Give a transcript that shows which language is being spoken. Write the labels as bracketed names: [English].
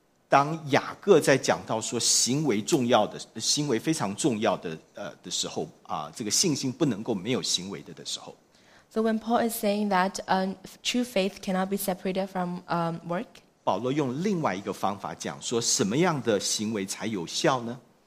[Chinese] 当雅各在讲到说行为非常重要的时候这个信心不能够没有行为的时候。 [English] So when Paul is saying that true faith cannot be separated from work, [Chinese] 保罗用另外一个方法讲说什么样的行为才有效呢？